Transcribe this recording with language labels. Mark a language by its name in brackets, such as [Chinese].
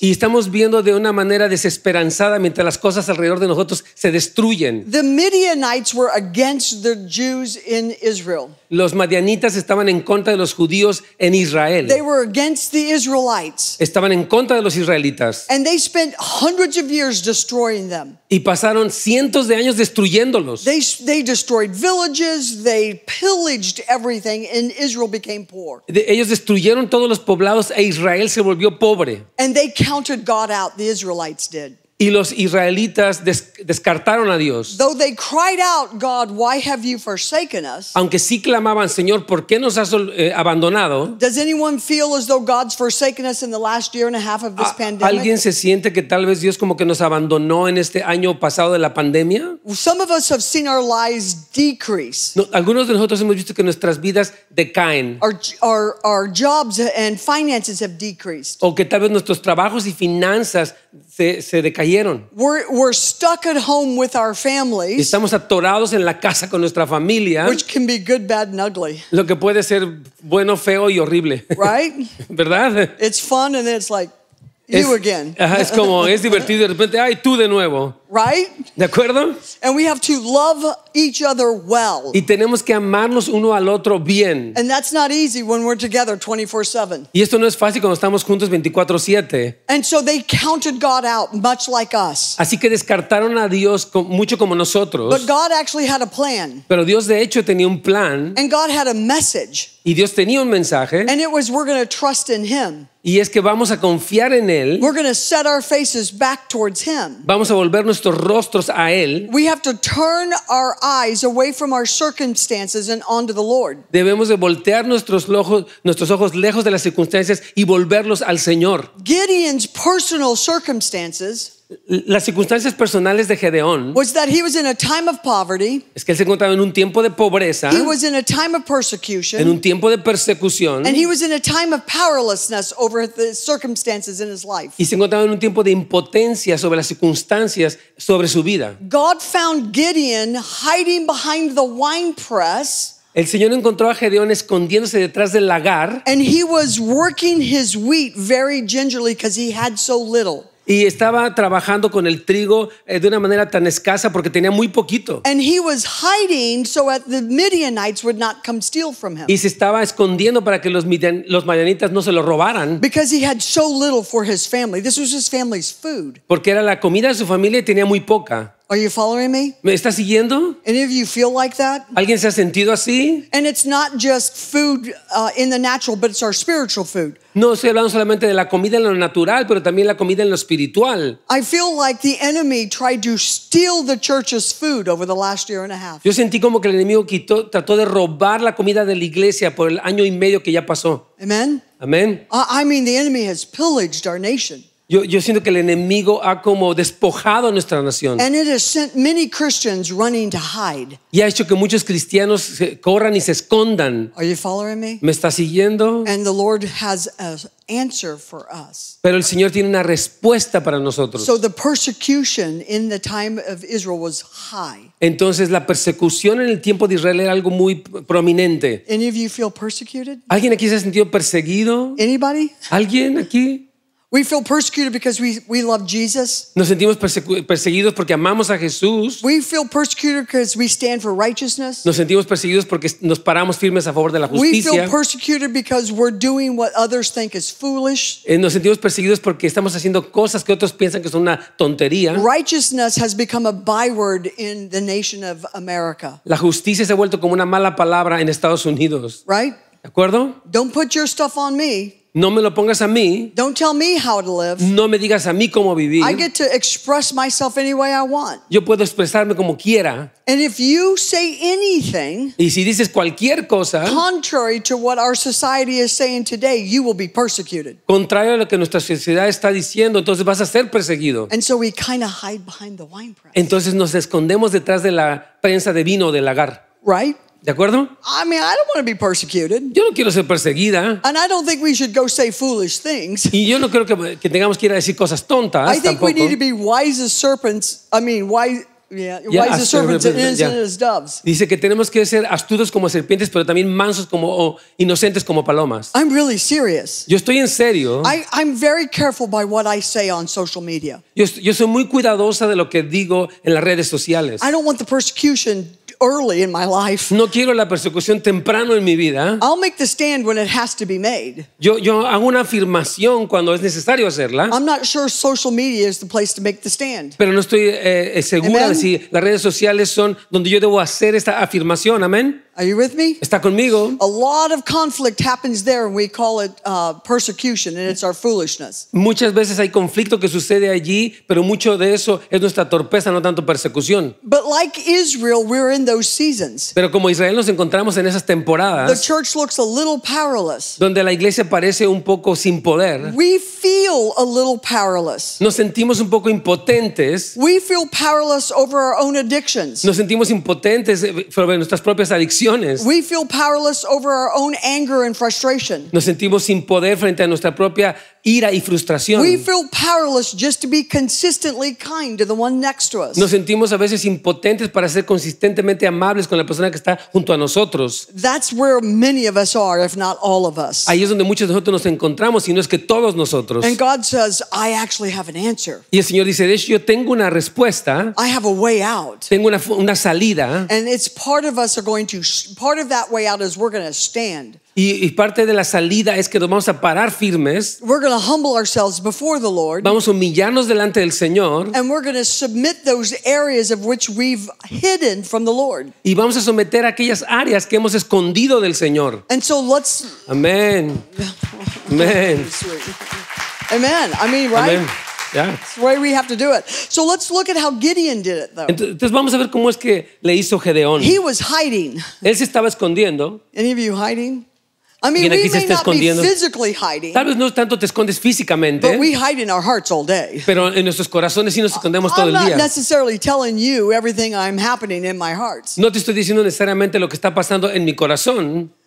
[Spanish] Y estamos viendo de una manera desesperanzada mientras las cosas alrededor de nosotros se destruyen. [English] The Midianites were against the Jews in Israel. [Spanish] Los madianitas estaban en contra de los judíos en Israel. [English] They were against the Israelites. [Spanish] Estaban en contra de los israelitas. [English] And they spent hundreds of years destroying them. [Spanish] Y pasaron cientos de años destruyéndolos. [English] They destroyed villages, they pillaged everything, and Israel became poor. [Spanish] Ellos destruyeron todos los poblados e Israel se volvió pobre. [English] And they counted God out, the Israelites did. [Spanish] Y los israelitas descartaron a Dios. [English] Though they cried out, God, why have you forsaken us? [Spanish] Aunque sí clamaban, Señor, ¿por qué nos has abandonado? [English] Does anyone feel as though God's forsaken us in the last year and a half of this pandemic? [Spanish] ¿Alguien se siente que tal vez Dios como que nos abandonó en este año pasado de la pandemia? [English] Some of us have seen our lives decrease. [Spanish] No, algunos de nosotros hemos visto que nuestras vidas decaen. [English] Our jobs and finances have decreased. [Spanish] O que tal vez nuestros trabajos y finanzas se decayeron. [English] We're stuck at home with our families. [Spanish] Estamos atorados en la casa con nuestra familia. [English] Which can be good, bad, and ugly. [Spanish] Lo que puede ser bueno, feo y horrible. [English] Right? [Spanish] ¿Verdad? [English] It's fun and then it's like you again. [Spanish] Es como es divertido de repente, ay, tú de nuevo. [English] Right? [Spanish] ¿De acuerdo? [English] And we have to love each other well. [Spanish] Y tenemos que amarnos uno al otro bien. [English] And that's not easy when we're together 24/7. [Spanish] Y esto no es fácil cuando estamos juntos 24/7. [English] And so they counted God out, much like us. [Spanish] Así que descartaron a Dios mucho como nosotros. [English] But God actually had a plan. [Spanish] Pero Dios de hecho tenía un plan. [English] And God had a message. [Spanish] Y Dios tenía un mensaje. [English] And it was we're going to trust in him. [Spanish] Y es que vamos a confiar en él. [English] We're going to set our faces back towards him. [Spanish] Vamos a volver nuestros rostros a Él. [English] We have to turn our eyes away from our circumstances and onto the Lord. [Spanish] Debemos de voltear nuestros ojos lejos de las circunstancias y volverlos al Señor. [English] Gideon's personal circumstances. [Spanish] Las circunstancias personales de Gedeón. [English] Was that he was in a time of poverty. [Spanish] Es que él se encontraba en un tiempo de pobreza. [English] He was in a time of persecution. [Spanish] En un tiempo de persecución. [English] And he was in a time of powerlessness over the circumstances in his life. [Spanish] Y se encontraba en un tiempo de impotencia sobre las circunstancias sobre su vida. [English] God found Gideon hiding behind the wine press. [Spanish] El Señor encontró a Gedeón escondiéndose detrás del lagar. [English] And he was working his wheat very gingerly because he had so little. [Spanish] Y estaba trabajando con el trigo de una manera tan escasa porque tenía muy poquito. [English] And he was hiding so that the Midianites would not come steal from him. [Spanish] Y se estaba escondiendo para que los Midianitas no se lo robaran. [English] Because he had so little for his family. This was his family's food. [Spanish] Porque era la comida de su familia y tenía muy poca. [English] Are you following me? [Spanish] ¿Me está siguiendo? [English] Any of you feel like that? [Spanish] ¿Alguien se ha sentido así? [English] And it's not just food in the natural, but it's our spiritual food. [Spanish] No estoy hablando solamente de la comida en lo natural, pero también la comida en lo espiritual. [English] I feel like the enemy tried to steal the church's food over the last year and a half. [Spanish] Yo sentí como que el enemigo trató de robar la comida de la iglesia por el año y medio que ya pasó. [English] Amen. [Spanish] Amen. [English] I mean, the enemy has pillaged our nation. [Spanish] Yo siento que el enemigo ha como despojado a nuestra nación. [English] And it has sent many Christians running to hide. [Spanish] Y ha hecho que muchos cristianos corran y se escondan. [English] Are you following me? [Spanish] ¿Me está siguiendo? [English] And the Lord has an answer for us. [Spanish] Pero el Señor tiene una respuesta para nosotros. [English] So the persecution in the time of Israel was high. [Spanish] Entonces la persecución en el tiempo de Israel era algo muy prominente. [English] Any of you feel persecuted? [Spanish] ¿Alguien aquí se ha sentido perseguido? [English] Anybody? [Spanish] ¿Alguien aquí? [English] We feel persecuted because we love Jesus. [Spanish] Nos sentimos perseguidos porque amamos a Jesús. [English] We feel persecuted because we stand for righteousness. [Spanish] Nos sentimos perseguidos porque nos paramos firmes a favor de la justicia. [English] We feel persecuted because we're doing what others think is foolish. [Spanish] Nos sentimos perseguidos porque estamos haciendo cosas que otros piensan que son una tontería. [English] Righteousness has become a byword in the nation of America. [Spanish] La justicia se ha vuelto como una mala palabra en Estados Unidos. [English] Right? [Spanish] ¿De acuerdo? [English] Don't put your stuff on me. [Spanish] No me lo pongas a mí. [English] Don't tell me how to live. [Spanish] No me digas a mí cómo vivir. [English] I get to express myself any way I want. [Spanish] Yo puedo expresarme como quiera. [English] And if you say anything, [Spanish] y si dices cualquier cosa, [English] contrary to what our society is saying today, you will be persecuted. [Spanish] Contrario a lo que nuestra sociedad está diciendo, entonces vas a ser perseguido. [English] And so we kind of hide behind the wine press. [Spanish] Entonces nos escondemos detrás de la prensa de vino o del lagar. [English] Right? [Spanish] ¿De acuerdo? [English] I mean, I don't want to be persecuted. [Spanish] Yo no quiero ser perseguida. [English] And I don't think we should go say foolish things. [Spanish] Y yo no creo que tengamos que ir a decir cosas tontas. [English] I think [Spanish] tampoco. [English] We need to be wise as serpents. I mean, wise as serpents and innocent as doves. [Spanish] Dice que tenemos que ser astutos como serpientes, pero también mansos como o inocentes como palomas. [English] I'm really serious. [Spanish] Yo estoy en serio. [English] I'm very careful by what I say on social media. [Spanish] Yo soy muy cuidadosa de lo que digo en las redes sociales. [English] I don't want the persecution early in my life. [Spanish] No quiero la persecución temprano en mi vida. [English] I'll make the stand when it has to be made. [Spanish] Yo hago una afirmación cuando es necesario hacerla. [English] I'm not sure social media is the place to make the stand. [Spanish] Pero no estoy segura. Amen. De si las redes sociales son donde yo debo hacer esta afirmación. Amén. [English] Are you with me? [Spanish] ¿Está conmigo? [English] A lot of conflict happens there and we call it persecution and it's our foolishness. [Spanish] Muchas veces hay conflicto que sucede allí, pero mucho de eso es nuestra torpeza, no tanto persecución. [English] But like Israel, we're in those seasons. [Spanish] Pero como Israel nos encontramos en esas temporadas. [English] The church looks a little powerless. [Spanish] Donde la iglesia parece un poco sin poder. [English] We feel a little powerless. [Spanish] Nos sentimos un poco impotentes. [English] We feel powerless over our own addictions. [Spanish] Nos sentimos impotentes sobre nuestras propias adicciones. [English] We feel powerless over our own anger and frustration. [Spanish] Nos sentimos sin poder frente a nuestra propia ira y frustración. [English] We feel powerless just to be consistently kind to the one next to us. [Spanish] Nos sentimos a veces impotentes para ser consistentemente amables con la persona que está junto a nosotros. [English] That's where many of us are, if not all of us. [Spanish] Ahí es donde muchos de nosotros nos encontramos, si no es que todos nosotros. [English] And God says, I actually have an answer. [Spanish] Y el Señor dice, de hecho, yo tengo una respuesta. [English] I have a way out. [Spanish] Tengo una salida. [English] And it's part of us are going to part of that way out is we're going to stand. [Spanish] Y parte de la salida es que nos vamos a parar firmes. [English] We're going to humble ourselves before the Lord. [Spanish] Vamos a humillarnos delante del Señor. [English] And we're going to submit those areas of which we've hidden from the Lord. [Spanish] Y vamos a someter aquellas áreas que hemos escondido del Señor. [English] And so let's. Amen. Amen. Amen. I mean, right? Amen. Yeah. That's the way we have to do it. So let's look at how Gideon did it, though. [Spanish] Entonces vamos a ver cómo es que le hizo Gedeón. [English] He was hiding. [Spanish] Él se estaba escondiendo. [English] Any of you hiding? I mean, we may not be physically hiding. [Spanish] Tal vez no tanto te escondes físicamente. [English] But we hide in our hearts all day. [Spanish] Pero en nuestros corazones sí nos escondemos todo el día. [English] I'm not necessarily telling you everything I'm happening in my heart. [Spanish] No te estoy diciendo necesariamente lo que está pasando en mi corazón.